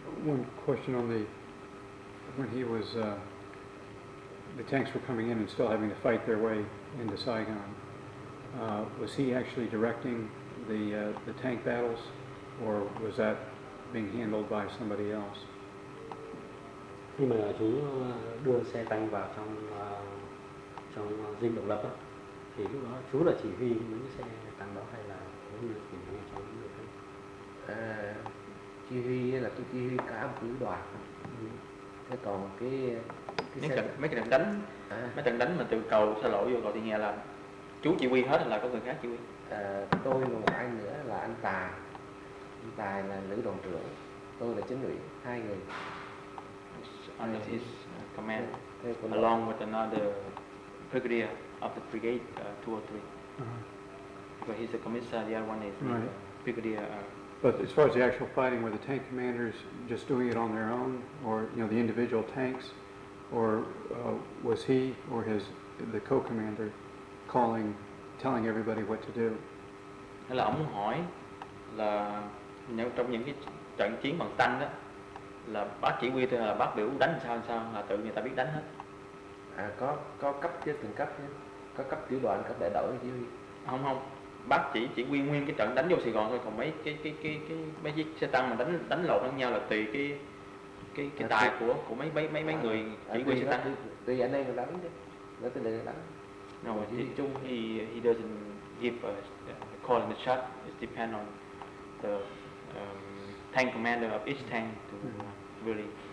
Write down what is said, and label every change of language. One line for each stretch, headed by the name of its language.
English: One question on the, when he was, the tanks were coming in and still having to fight their way into Saigon, was he actually directing the tank battles, or was that being handled by somebody else?
Vietnamese: Khi mà chú đưa xe tăng vào trong trong Dinh Độc Lập đó, thì lúc đó chú là chỉ huy những xe tăng đó hay là những người chỉ huy cho những người khác? Chỉ huy là tôi chỉ huy cả một tiểu đoàn. Thế còn mấy trận đánh mà từ cầu xa lỗ vô cầu thì nghe là chú chỉ huy hết hay là có người khác chỉ huy? Tôi và một anh nữa là anh Tà, Tài là nữ đoàn trưởng, tôi là chính ủy, hai người.
English: Under his command, along with another brigadier of the brigade, two or three. Uh-huh. But he's a commissar, the other one is right. Brigadier. But as far as the actual fighting, were the tank commanders just doing it on their own, or you know the individual tanks, or was he or his the co-commander calling, telling everybody what to do?
Vietnamese: Hay là ông hỏi là nếu trong những cái trận chiến bằng tăng đó là bác chỉ huy thôi, là bác biểu đánh sao là tự người ta biết đánh hết. À có cấp chứ, từng cấp chứ, có cấp tiểu đoàn, cấp đại đội chỉ huy. Không. Bác chỉ huy nguyên cái trận đánh vô Sài Gòn thôi, còn mấy cái mấy chiếc xe tăng mà đánh lộn lẫn nhau là tùy cái tài của mấy người chỉ huy xe tăng. Tùy anh em đánh chứ, nó tùy người đánh.
English: No,
Vietnamese: chỉ chung
English: he doesn't give a call in the shot. It depends on the tank commander of each tank to really.